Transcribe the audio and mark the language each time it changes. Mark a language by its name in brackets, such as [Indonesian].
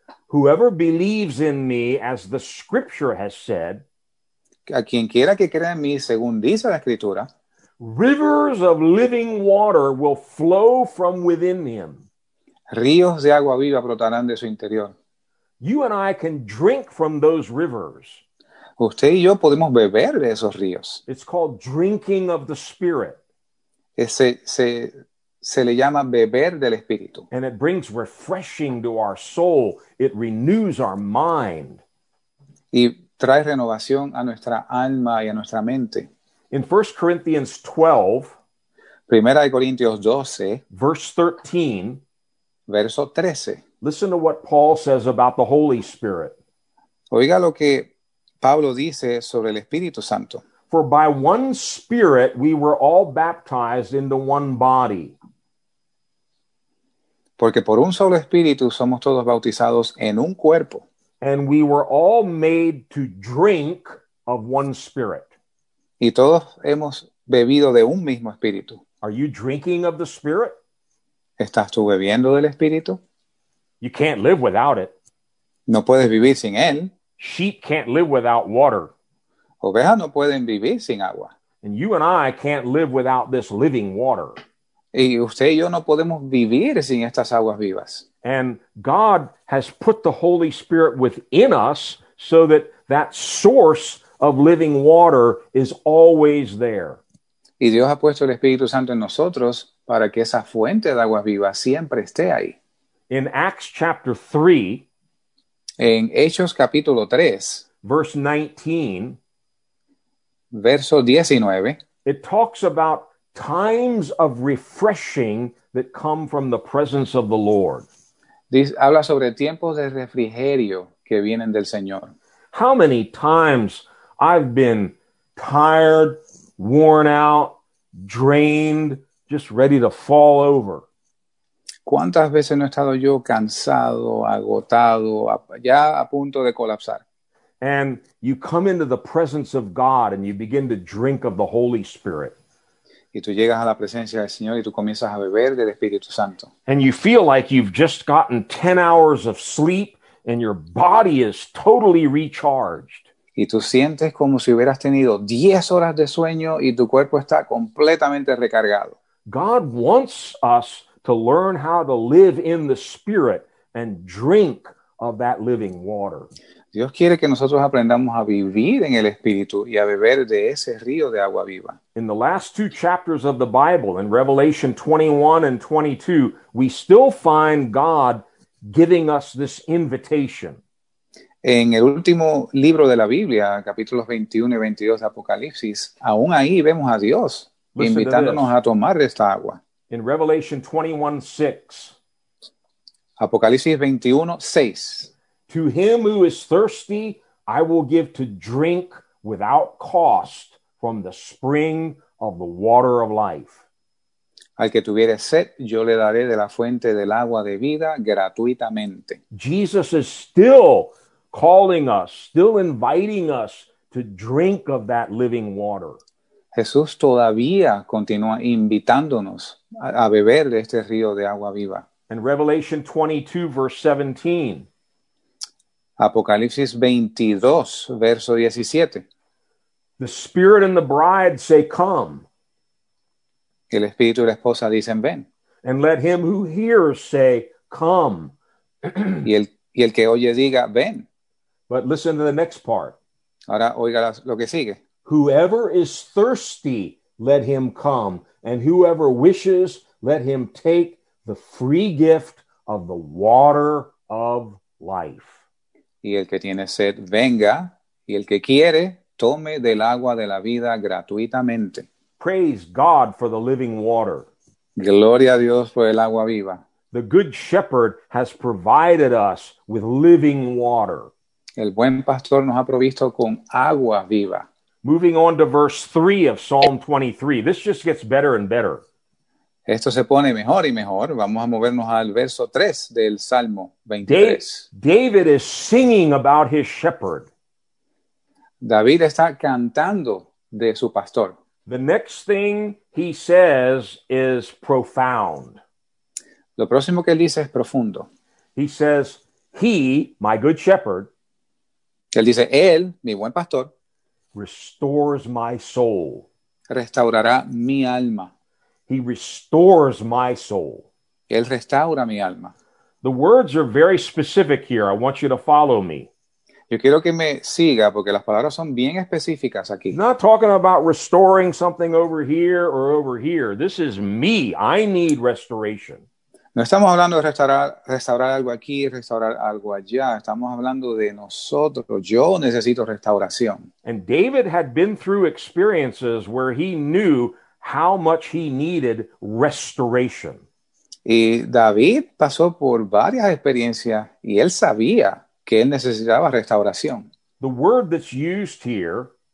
[English] Whoever believes in me, as the scripture has said, [Spanish] a quien quiera que crea en mí, según dice la escritura, [English] rivers of living water will flow from within him. [Spanish] Ríos de agua viva brotarán de su interior. [English] You and I can drink from those rivers. [Spanish] Usted y yo podemos beber de esos ríos. [English] It's called drinking of the Spirit. [Spanish] Ese, se, se le llama beber del Espíritu. [English] And it brings refreshing to our soul. It renews our mind. [Spanish] Y trae renovación a nuestra alma y a nuestra mente. [English] In 1 Corinthians 12, [Spanish] Primera de Corintios 12, [English] verse 13, [Spanish] verso 13. [English] Listen to what Paul says about the Holy Spirit. [Spanish] Oiga lo que Pablo dice sobre el Espíritu Santo. [English] For by one Spirit we were all baptized into one body. [Spanish] Porque por un solo Espíritu somos todos bautizados en un cuerpo. [English] And we were all made to drink of one Spirit. [Spanish] Y todos hemos bebido de un mismo Espíritu. [English] Are you drinking of the Spirit? [Spanish] ¿Estás tú bebiendo del Espíritu? [English] You can't live without it. [Spanish] No puedes vivir sin él. [English] Sheep can't live without water. [Spanish] Ovejas no pueden vivir sin agua. [English] And you and I can't live without this living water. [Spanish] Y usted y yo no podemos vivir sin estas aguas vivas. [English] And God has put the Holy Spirit within us so that that source of living water is always there. [Spanish] Y Dios ha puesto el Espíritu Santo en nosotros para que esa fuente de aguas vivas siempre esté ahí. [English] In Acts chapter 3, [Spanish] en Hechos capítulo 3, [English] verse 19, [Spanish] verso 19, [English] it talks about times of refreshing that come from the presence of the Lord. [Spanish] Dice, habla sobre tiempos de refrigerio que vienen del Señor. [English] How many times I've been tired, worn out, drained, just ready to fall over. [Spanish] ¿Cuántas veces no he estado yo cansado, agotado, ya a punto de colapsar? [English] And you come into the presence of God and you begin to drink of the Holy Spirit. [Spanish] Y tú llegas a la presencia del Señor y tú comienzas a beber del Espíritu Santo. [English] And you feel like you've just gotten 10 hours of sleep and your body is totally recharged. [Spanish] Y tú sientes como si hubieras tenido 10 horas de sueño y tu cuerpo está completamente recargado. [English] God wants us to learn how to live in the Spirit and drink of that living water. [Spanish] Dios quiere que nosotros aprendamos a vivir en el Espíritu y a beber de ese río de agua viva. [English] In the last two chapters of the Bible, in Revelation 21 and 22, we still find God giving us this invitation. [Spanish] En el último libro de la Biblia, capítulos 21 y 22 de Apocalipsis, aún ahí vemos a Dios invitándonos a tomar de esta agua. [English] In Revelation 21, 6. [Spanish] Apocalipsis 21, 6. [English] To him who is thirsty, I will give to drink without cost from the spring of the water of life. [Spanish] Al que tuviere sed, yo le daré de la fuente del agua de vida gratuitamente. [English] Jesus is still calling us, still inviting us to drink of that living water. [Spanish] Jesús todavía continúa invitándonos a beber de este río de agua viva. [English] In Revelation 22, verse 17. [Spanish] Apocalipsis 22, verso 17. [English] The Spirit and the Bride say, come. [Spanish] El Espíritu y la Esposa dicen, ven. [English] And let him who hears say, come. [Spanish] Y el que oye diga, ven. [English] But listen to the next part. [Spanish] Ahora oiga lo que sigue. [English] Whoever is thirsty, let him come. And whoever wishes, let him take the free gift of the water of life. [Spanish] Y el que tiene sed, venga. Y el que quiere, tome del agua de la vida gratuitamente. [English] Praise God for the living water. [Spanish] Gloria a Dios por el agua viva. [English] The good shepherd has provided us with living water. [Spanish] El buen pastor nos ha provisto con agua viva. [English] Moving on to verse 3 of Psalm 23. This just gets better and better. [Spanish] Esto se pone mejor y mejor. Vamos a movernos al verso 3 del Salmo 23. [English] David is singing about his shepherd. [Spanish] David está cantando de su pastor. [English] The next thing he says is profound. [Spanish] Lo próximo que él dice es profundo. [English] He says, he, my good shepherd, [Spanish] él dice, él, mi buen pastor, [English] restores my soul. [Spanish] Restaurará mi alma. [English] He restores my soul. [Spanish] Él restaura mi alma. [English] The words are very specific here. I want you to follow me. [Spanish] Yo quiero que me siga porque las palabras son bien específicas aquí. [English] Not talking about restoring something over here or over here. This is me. I need restoration. [Spanish] No estamos hablando de restaurar algo aquí, restaurar algo allá. Estamos hablando de nosotros. Yo necesito restauración. [English] And David had been through experiences where he knew how much he needed restoration. [Spanish] Y David pasó por varias experiencias y él sabía que él necesitaba restauración. [English] The word that's used here,